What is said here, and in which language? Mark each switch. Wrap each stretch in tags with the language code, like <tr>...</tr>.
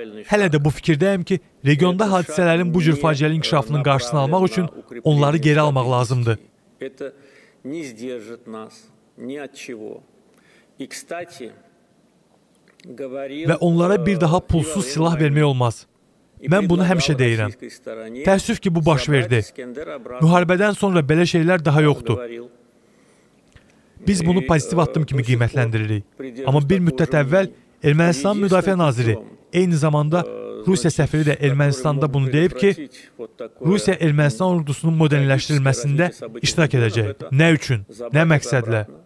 <az>Hələ də bu fikirdəyim ki, regionda hadisələrin bu cür faciəli inkişafının qarşısını almaq üçün onları geri almaq lazımdır.</az> <ru>Это не сдержит нас ни от чего. И, кстати, говорил</ru> <az>Və onlara bir daha pulsuz silah vermək olmaz. Mən bunu həmişə deyirəm. Təəssüf ki, bu baş verdi. Müharibədən sonra belə şeylər daha yoxdur. Biz bunu pozitiv addım kimi qiymətləndiririk. Amma bir müddət əvvəl Ermənistan Müdafiə Naziri eyni zamanda Rusiya səfiri də Ermənistanda bunu deyib ki, Rusiya Ermənistan ordusunun modernləşdirilməsində iştirak edəcək. Nə üçün? Nə məqsədlə?</az>